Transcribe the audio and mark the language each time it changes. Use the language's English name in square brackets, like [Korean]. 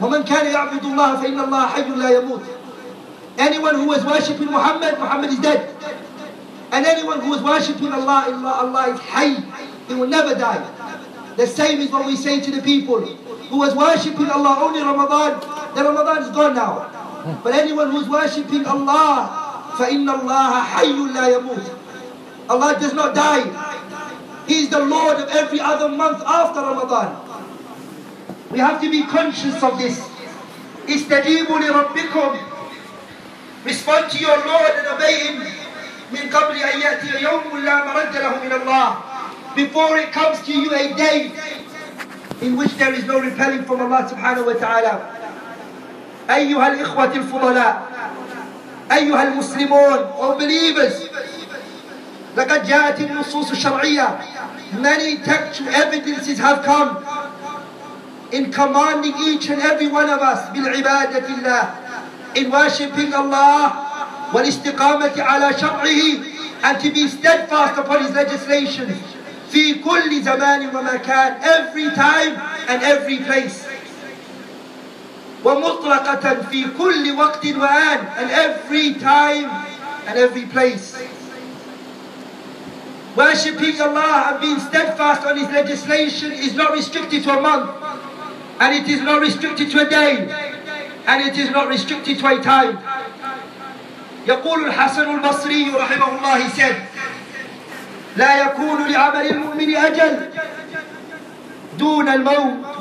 [Arabic] ومن كان يعبد الله فإن الله حي لا يموت. [English] Anyone who was worshiping Muhammad, Muhammad is dead. And anyone who was worshiping Allah, Allah is حي, he will never die. The same is what we say to the people. who was worshipping Allah only Ramadan, then Ramadan is gone now. But anyone who's worshipping Allah, [Arabic] فَإِنَّ اللَّهَ حَيٌّ لَا يَمُوتُ. [English] Allah does not die. He's the Lord of every other month after Ramadan. We have to be conscious of this. [Arabic] اِسْتَجِيبُوا لِرَبِّكُمْ. [English] Respond to your Lord and obey Him. [Arabic] مِنْ قَبْلِ أَنْ يَأْتِيَ يَوْمٌ لَا مَرَدَّ لَهُ مِنَ اللَّهِ. [English] Before it comes to you a day in which there is no repelling from Allah subhanahu wa ta'ala. [Arabic] أيها الإخوة الفضلاء أيها المسلمون [English] or believers. [Arabic] لقد جاءت النصوص الشرعية. [English] Many textual evidences have come in commanding each and every one of us [Arabic] بالعبادة الله, [English] in worshipping Allah, [Arabic] والاستقامة على شرعه, [English] and to be steadfast upon His legislations. [Arabic] في كل زمان ومكان, [English] every time and every place. [Arabic] ومطلقة في كل وقت وآن, [English] and every time and every place. Worshipping Allah and being steadfast on His legislation is not restricted to a month, and it is not restricted to a day, and it is not restricted to a time. [Arabic] يقول الحسن البصري رحمه الله, [English] he said, [Arabic] لا يكون لعمل المؤمن أجل دون الموت.